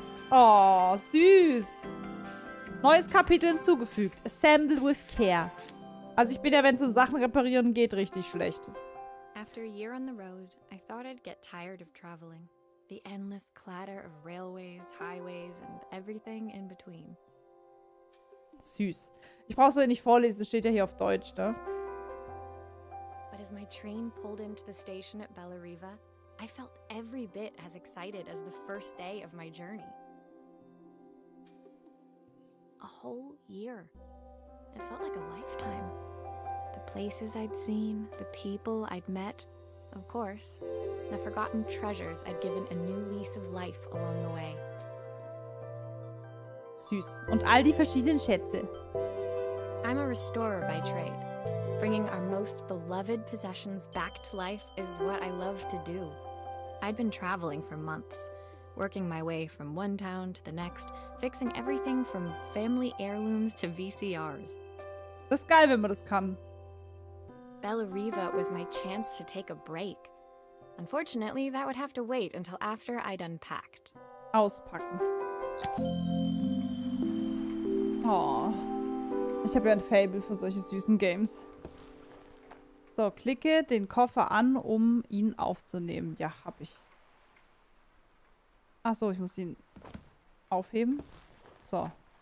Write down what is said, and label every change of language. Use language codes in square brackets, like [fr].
[de] Oh, süß. Neues Kapitel hinzugefügt. [en] Assemble with Care. [de] Also ich bin ja, wenn es um Sachen reparieren geht, richtig schlecht. [en] After a year on the road, I thought I'd get tired of traveling. The endless clatter of railways, highways and everything in between. [de] Süß. Ich brauch's dir nicht vorlesen, steht ja hier auf Deutsch, ne? [en] But as my train pulled into the station at Bella Riva, I felt every bit as excited as the first day of my journey. A whole year. It felt like a lifetime. Places I'd seen, the people I'd met, of course, the forgotten treasures I'd given a new lease of life along the way. [de] Süß. Und all die verschiedenen Schätze. [en] I'm a restorer by trade. Bringing our most beloved possessions back to life is what I love to do. I'd been traveling for months, working my way from one town to the next, fixing everything from family heirlooms to VCRs. [de] Das ist geil, wenn man das kann. [en] Bella Riva was my chance to take a break. Unfortunately, that would have to wait until after I'd unpacked. [de] Auspacken. Oh, ich habe ja ein Fable für solche süßen Games. So, klicke den Koffer an, um ihn aufzunehmen. Ja, hab ich. Ach so, ich muss ihn aufheben. So.